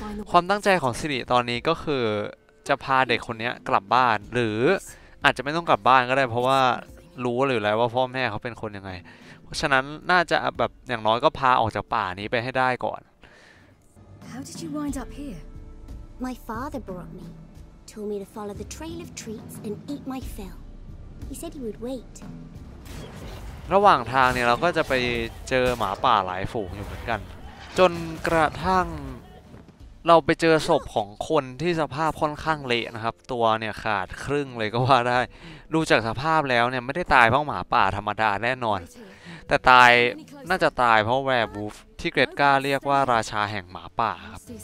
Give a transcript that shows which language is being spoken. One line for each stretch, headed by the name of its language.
Thai: ความตั้งใจของสิริตอนนี้ก็คือจะพาเด็กคนนี้กลับบ้านหรืออาจจะไม่ต้องกลับบ้านก็ได้เพราะว่ารู้หรือแล้วว่าพ่อแม่เขาเป็นคนยังไงเพราะฉะนั้นน่าจะแบบอย่างน้อยก็พาออกจากป่านี้ไปให้ได้ก่อน
English: How did you wind up here? My father brought me. Told me to follow the trail of treats and eat my fill. He said he would wait.
Thai: ระหว่างทางเนี่ยเราก็จะไปเจอหมาป่าหลายฝูงอยู่เหมือนกันจนกระทั่งเราไปเจอศพของคนที่สภาพค่อนข้างเละนะครับตัวเนี่ยขาดครึ่งเลยก็ว่าได้ดูจากสภาพแล้วเนี่ยไม่ได้ตายเพราะหมาป่าธรรมดาแน่นอนแต่ตายน่าจะตายเพราะแวร์บูฟที่เกรตก้าเรียกว่าราชาแห่งหมาป่าครับ